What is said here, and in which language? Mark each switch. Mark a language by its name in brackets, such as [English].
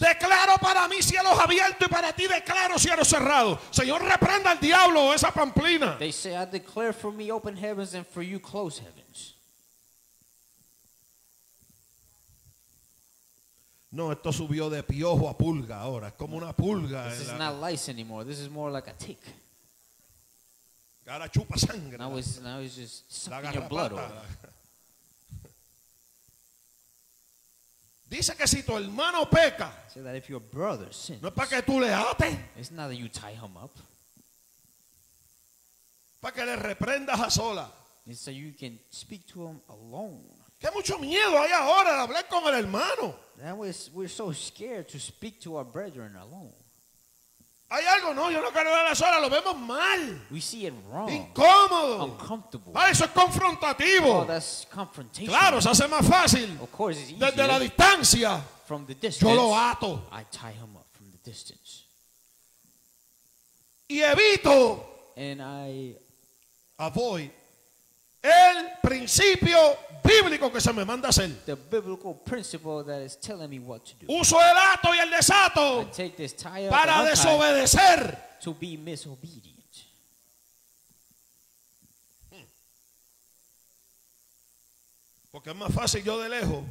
[Spanish] Declaro para mí cielos abiertos y para ti declaro cielos cerrados. Señor, reprenda al diablo esa pamplina. [English] They say, I declare for me open heavens and for you closed heavens. [Spanish] No, esto subió de piojo a pulga ahora. Es como una pulga. [English] This is not lice anymore. This is more like a tick. [Spanish] Ahora chupa sangre. [English] Now it's just sucking your blood over. [Spanish] Dice que si tu hermano peca, [English] say that if your brother sins, [Spanish] no es para que tú le ates. [English] It's not that you tie him up. [Spanish] Para que le reprendas a sola. [English] It's so you can speak to him alone. [Spanish] Qué mucho miedo hay ahora de hablar con el hermano. [English] That was, we're so scared to speak to our brethren alone. [Spanish] Hay algo, no, yo no quiero hablar a sola, lo vemos mal. [English] We see it wrong. [Spanish] Incómodo. [English] Uncomfortable. [Spanish] Ah, eso es confrontativo. [English] Oh, that's confrontation. [Spanish] Claro, se hace más fácil. [English] Of course, it's easier. [Spanish] Desde la distancia. [English] From the distance. [Spanish] Yo lo ato. [English] I tie him up from the distance. [Spanish] Y evito. [English] And I avoid. [Spanish] El principio bíblico que se me manda hacer. [English] The biblical principle that is telling me what to do. [Spanish] Uso el ato y el desato. [English] I take this tie up [Spanish] para desobedecer. [English] To be misobedient. [Spanish] Porque es más fácil yo de lejos.